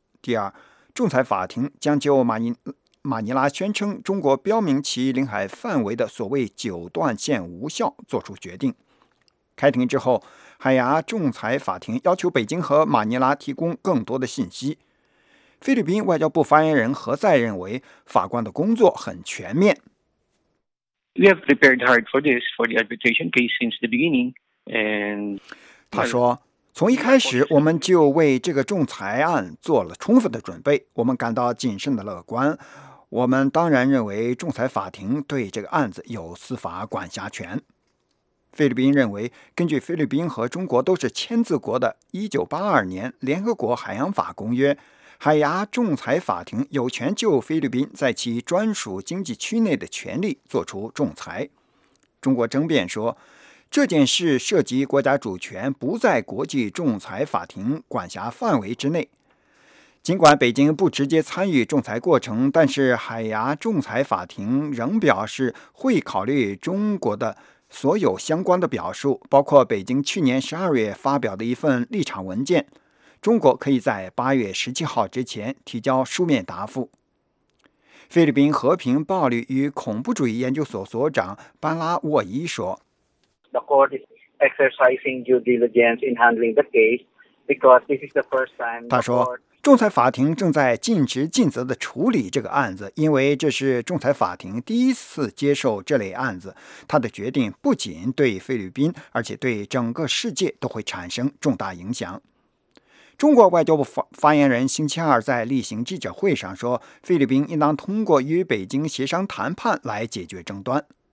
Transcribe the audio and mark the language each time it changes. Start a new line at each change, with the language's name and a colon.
Chinese: 第二，仲裁法庭将就马尼拉宣称中国标明其领海范围的所谓九段线无效做出决定。开庭之后，海牙仲裁法庭要求北京和马尼拉提供更多的信息。菲律宾外交部发言人何塞认为，法官的工作很全面。
English: We have prepared hard for this, for the arbitration case since the beginning. And
Chinese: 他说，从一开始我们就为这个仲裁案做了充分的准备，我们感到谨慎的乐观。我们当然认为仲裁法庭对这个案子有司法管辖权。菲律宾认为，根据菲律宾和中国都是签字国的1982年联合国海洋法公约，海牙仲裁法庭有权就菲律宾在其专属经济区内的权利作出仲裁。中国争辩说，这件事涉及国家主权，不在国际仲裁法庭管辖范围之内。尽管北京不直接参与仲裁过程，但是海牙仲裁法庭仍表示会考虑中国的所有相关的表述，包括北京去年12月发表的一份立场文件。中国可以在8月17号之前提交书面答复。菲律宾和平暴力与恐怖主义研究所所长班拉沃伊说，
English: The court is exercising due diligence in handling the case because this is the first time.
Chinese: 他说，仲裁法庭正在尽职尽责地处理这个案子，因为这是仲裁法庭第一次接受这类案子，他的决定不仅对菲律宾，而且对整个世界都会产生重大影响。中国外交部发言人星期二在例行记者会上说，菲律宾应当通过与北京协商谈判来解决争端。